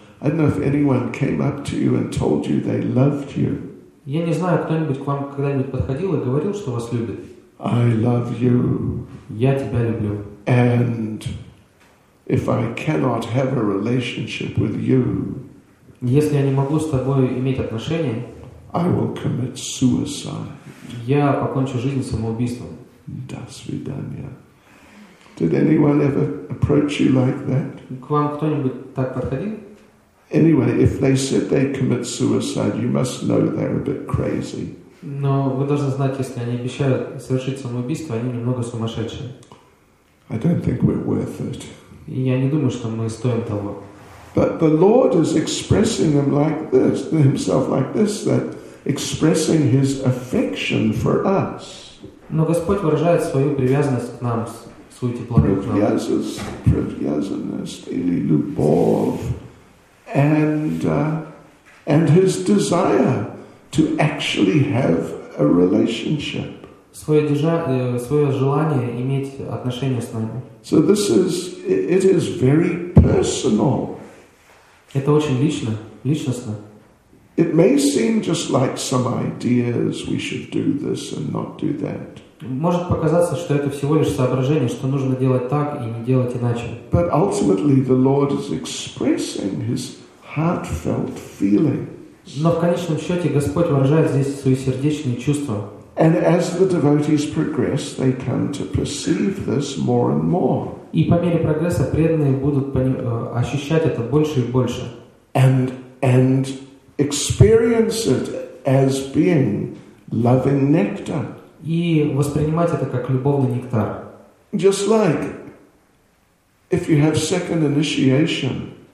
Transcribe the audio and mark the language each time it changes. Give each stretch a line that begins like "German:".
English: I don't know if anyone came up to you and told you they loved you.
Russian: Я не знаю, кто-нибудь к вам когда-нибудь подходил и говорил, что вас любит.
English: I love you.
Russian: Я тебя люблю.
English: And if I cannot have a relationship with you,
Russian: если я не могу с тобой иметь отношения,
English: I will commit suicide.
Russian: Я покончу жизнь самоубийством. До свидания.
English: Did anyone ever approach you like that?
Russian: К вам кто-нибудь так подходил?
English: Anyway, if they said they commit suicide, you must know they're a bit crazy.
Russian: Но вы должны знать, если они обещают совершить самоубийство, они немного сумасшедшие.
English: I don't think we're worth it.
Russian: И я не думаю, что мы стоим того.
English: But the Lord is expressing him like this, himself like this, that expressing his affection for us.
Russian: Но Господь выражает свою привязанность к нам, свою теплоту к нам. Привязанность или любовь
English: and his desire to actually have a relationship.
Russian: Своё желание иметь отношения с нами.
English: So this is, it is very personal.
Russian: Это очень лично, личностно.
English: It may seem just like some ideas, we should do this and not do that.
Russian: Может показаться, что это всего лишь соображение, что нужно делать так и не делать иначе.
English: But ultimately the Lord is expressing his heartfelt feeling.
Russian: Но в конечном счете Господь выражает здесь свои сердечные чувства.
English: And as the devotees progress, they come to perceive this more and more.
Russian: И по мере прогресса преданные будут ощущать это больше и больше.
English: And experience it as being loving nectar.
Russian: И воспринимать это как любовный нектар.
English: Just like if you have second initiation.